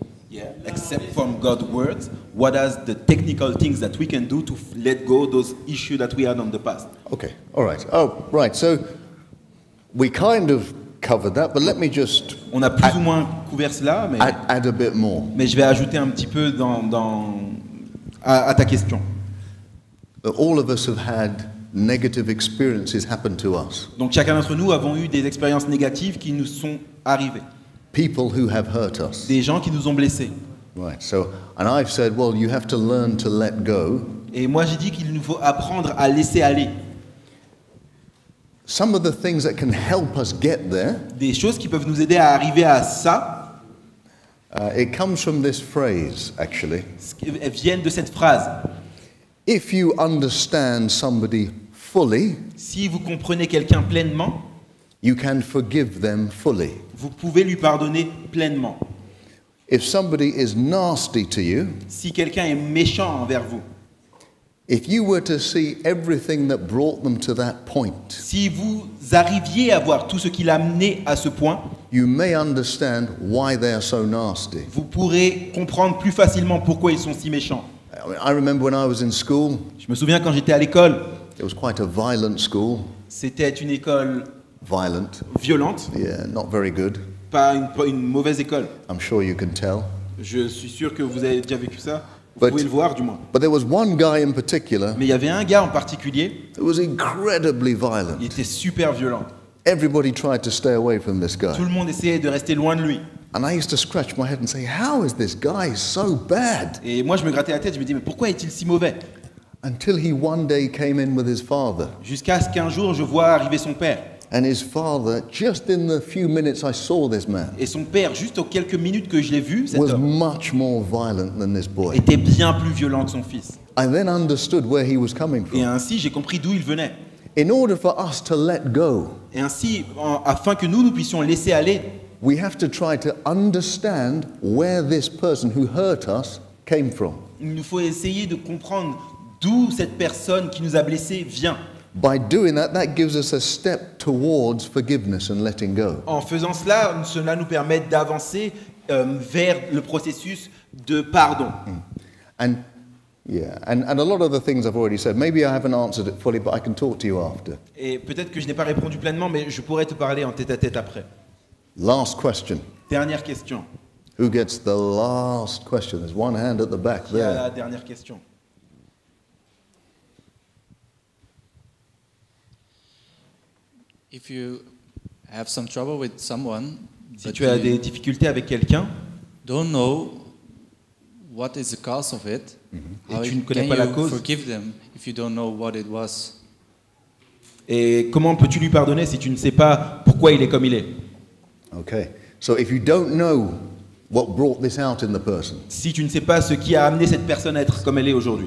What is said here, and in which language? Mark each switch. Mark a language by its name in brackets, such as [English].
[English] Yeah, except from God's words, what are the technical things that we can do to let go of those issues that we had in the past? Okay, all right. Oh, right, so we kind of covered that, but let me just [French] on a plus ou moins couvert cela, mais [English] add a bit more. [French] Mais je vais ajouter un petit peu dans à ta question. [English] All of us have had negative experiences happen to us. [French] Donc chacun d'entre nous avons eu des expériences négatives qui nous sont arrivées. [English] People who have hurt us. [French] Des gens qui nous ont blessés. [English] Right. So, and I've said, well, you have to learn to let go. [French] Et moi j'ai dit qu'il nous faut apprendre à laisser aller. [English] Some of the things that can help us get there. [French] Des choses qui peuvent nous aider à arriver à ça. [English] It comes from this phrase, actually. [French] Elles viennent de cette phrase. [English] If you understand somebody fully, [French] si vous comprenez quelqu'un pleinement, [English] you can forgive them fully. [French] Vous pouvez lui pardonner pleinement. [English] If somebody is nasty to you, [French] si quelqu'un est méchant envers vous, [English] if you were to see everything that brought them to that point, [French] si vous arriviez à voir tout ce qui l'a mené à ce point, [English] you may understand why they are so nasty. [French] Vous pourrez comprendre plus facilement pourquoi ils sont si méchants. [English] I remember when I was in school. [French] Je me souviens quand j'étais à l'école. [English] It was quite a violent school. [French] C'était une école [English] violent. [French] Violente. [English] Yeah, not very good. [French] Pas une mauvaise école. [English] I'm sure you can tell. [French] Je suis sûr que vous avez déjà vécu ça. Vous pouvez le voir du moins. [English] But there was one guy in particular. [French] Mais il y avait un gars en particulier. [English] It was incredibly violent. [French] Il était super violent. [English] Everybody tried to stay away from this guy. [French] Tout le monde essayait de rester loin de lui. [English] And I used to scratch my head and say, "How is this guy so bad?" [French] Et moi, je me grattais la tête. Je me disais, mais pourquoi est-il si mauvais? [English] Until he one day came in with his father. [French] Jusqu'à ce qu'un jour, je vois arriver son père. [English] And his father, just in the few minutes I saw this man. [French] Et son père, juste aux quelques minutes que je l'ai vu, cet homme. [English] Was much more violent than this boy. [French] Était bien plus violent que son fils. [English] I then understood where he was coming from. [French] Et ainsi, j'ai compris d'où il venait. [English] In order for us to let go. [French] Et ainsi, afin que nous puissions laisser aller. [English] We have to try to understand where this person who hurt us came from. [French] Il nous faut essayer de comprendre d'où cette personne qui nous a blessés vient. [English] By doing that, that gives us a step towards forgiveness and letting go. [French] En faisant cela, cela nous permet d'avancer vers le processus de pardon. [English] And a lot of the things I've already said. Maybe I haven't answered it fully, but I can talk to you after. [French] Et peut-être que je n'ai pas répondu pleinement, mais je pourrais te parler en tête-à-tête après. [English] Last question. [French] Dernière question. [English] Who gets the last question? There's one hand at the back there. [French] La dernière question. [English] If you have some trouble with someone, [French] si tu as des difficultés avec quelqu'un, [English] don't know what is the cause of it. [French] Mm-hmm. Et tu ne connais pas la cause. [English] Forgive them if you don't know what it was. [French] Et comment peux-tu lui pardonner si tu ne sais pas pourquoi il est comme il est? [English] Okay. So if you don't know what brought this out in the person. [French] Si tu ne sais pas ce qui a amené cette personne à être comme elle est aujourd'hui.